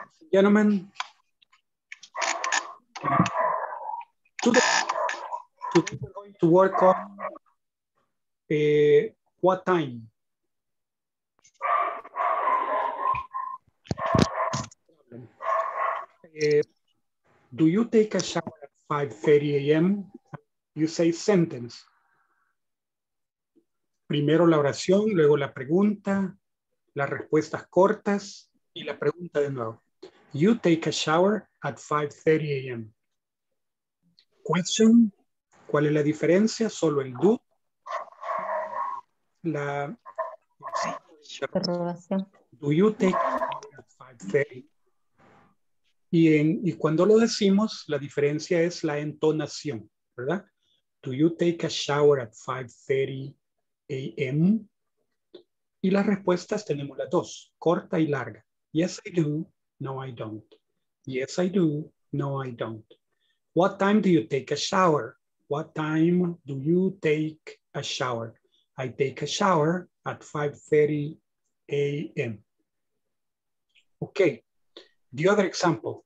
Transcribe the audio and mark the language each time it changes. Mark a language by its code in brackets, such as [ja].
[en] Gentlemen, today we're going to work on what time? Do you take a shower at 5:30 a.m.? You say sentence. [es] Primero la oración, luego la pregunta, las respuestas cortas y la pregunta de nuevo. [en] You take a shower at 5:30 a.m. Question, [es] ¿cuál es la diferencia? Solo el do. La interrogación. [en] Do you take a shower at 5:30? [es] Y cuando lo decimos, la diferencia es la entonación, ¿verdad? [en] Do you take a shower at 5:30 a.m.? [es] Y las respuestas tenemos las dos, corta y larga. [en] Yes, I do. No, I don't. Yes, I do. No, I don't. What time do you take a shower? What time do you take a shower? I take a shower at 5:30 a.m. Okay. The other example.